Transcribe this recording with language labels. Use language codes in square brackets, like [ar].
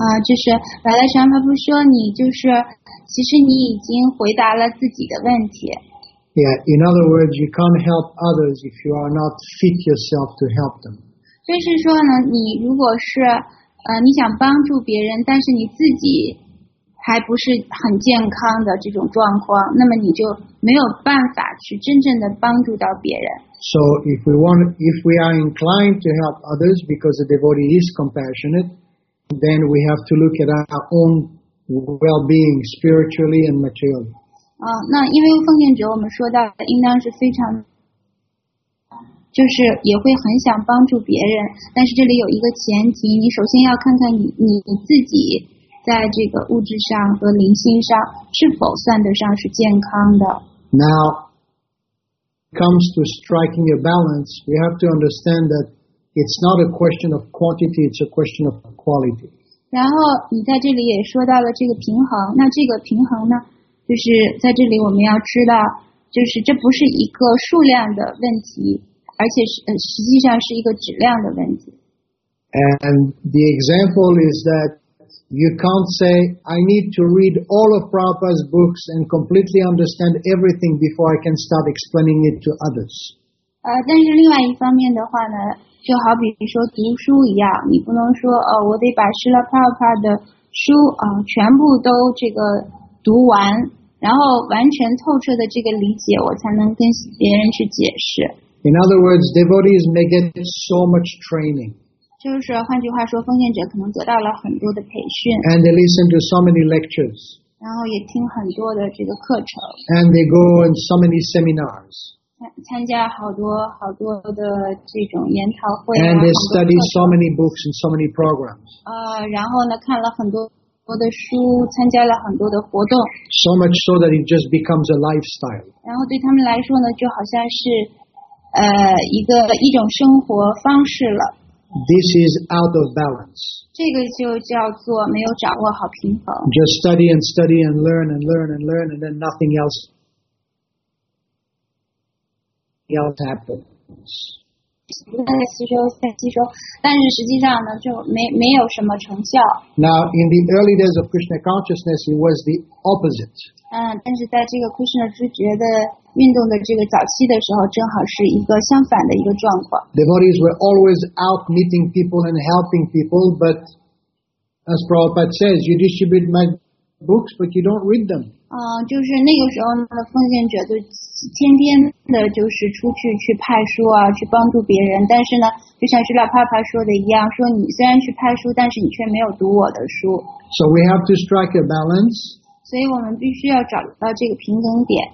[zh] 就是白拉沙帕布说你就是，其实你已经回答了自己的问题。 [en] Yeah, in other words, you can't help others if you are not fit yourself to help them. [zh] 就是说呢，你如果是你想帮助别人，但是你自己还不是很健康的这种状况，那么你就没有办法去真正的帮助到别人。 [en] So if we are inclined to help others because the devotee is compassionate, then we have to look at our own well-being spiritually and materially. [zh] 那因为奉献者我们说到的应当是非常，就是也会很想帮助别人，但是这里有一个前提，你首先要看看你自己在这个物质上和灵性上是否算得上是健康的。 [en] Now, comes to striking a balance, we have to understand that it's not a question of quantity, it's a question of quality. [zh] 然后你在这里也说到了这个平衡，那这个平衡呢，就是在这里我们要知道，就是这不是一个数量的问题，而且实际上是一个质量的问题。 [en] And the example is that you can't say, I need to read all of Prabhupada's books and completely understand everything before I can start explaining it to others. [zh] 但是另外一方面的话呢，就好比说读书一样，你不能说，我得把师拉帕帕的书，全部都这个读完，然后完全透彻的这个理解，我才能跟别人去解释。 [en] In other words, devotees may get so much training. [zh] 就是换句话说，奉献者可能得到了很多的培训。 [en] And they listen to so many lectures. [zh] 然后也听很多的这个课程。 [en] And they go on so many seminars. [zh] 参加好多好多的这种研讨会。 [en] And they study so many books and so many programs. [zh] 然后呢，看了很多的书，参加了很多的活动。 [en] So much so that it just becomes a lifestyle. [zh] 然后对他们来说呢，就好像是一种生活方式了。 [en] This is out of balance. [zh] 这个就叫做没有掌握好平衡。 [en] Just study and study and learn and learn and learn and then nothing else happens. [zh] 吸收，但是实际上呢，就没有什么成效。 [en] Now in the early days of Krishna consciousness, it was the opposite. [zh] 但是在这个 Krishna 知觉的运动的这个早期的时候，正好是一个相反的一个状况。 [en] Devotees were always out meeting people and helping people, but as Prabhupada says, you distribute my books, but you don't read them. [zh] 就是那个时候呢，奉献者就天天的就是出去去派书啊，去帮助别人。但是呢，就像是老帕帕说的一样，说你虽然去派书，但是你却没有读我的书。 [en] So we have to strike a balance. [zh] 所以我们必须要找到这个平衡点。